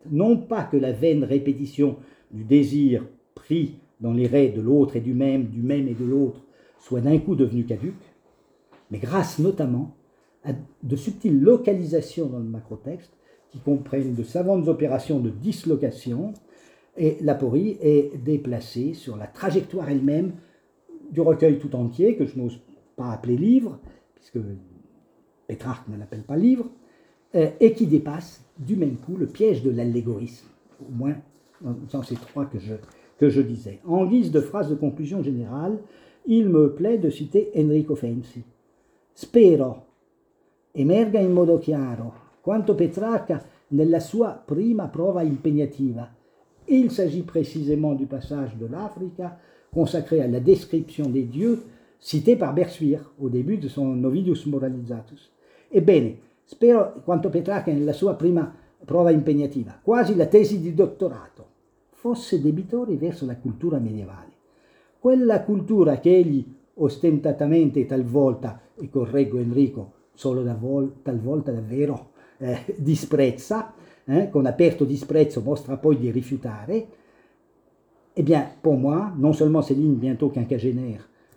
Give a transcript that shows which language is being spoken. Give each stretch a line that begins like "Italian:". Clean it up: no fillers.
French: Non pas que la vaine répétition du désir pris dans les raies de l'autre et du même et de l'autre, soit d'un coup devenue caduque, mais grâce notamment à de subtiles localisations dans le macrotexte qui comprennent de savantes opérations de dislocation, et l'aporie est déplacée sur la trajectoire elle-même du recueil tout entier, que je n'ose pas appeler livre, puisque Pétrarque ne l'appelle pas livre, et qui dépasse du même coup le piège de l'allégorisme, au moins dans ces trois que je disais. En guise de phrase de conclusion générale, il me plaît de citer Enrico Fenzi.
Italian: Spero emerga in modo chiaro quanto Petrarca nella sua prima prova impegnativa.
French: Il s'agit précisément du passage de l'Africa consacré à la description des dieux cité par Bersuir au début de son Novidius Moralizatus.
Italian: Ebbene, spero quanto Petrarca nella sua prima prova impegnativa, quasi la tesi di dottorato, fosse debitore verso la cultura medievale. Quella cultura che egli ostentatamente talvolta, e correggo Enrico, solo talvolta davvero, disprezza, con aperto disprezzo mostra poi di rifiutare,
French: eh bien, pour moi, non seulement ces lignes bientôt quinquagénaires,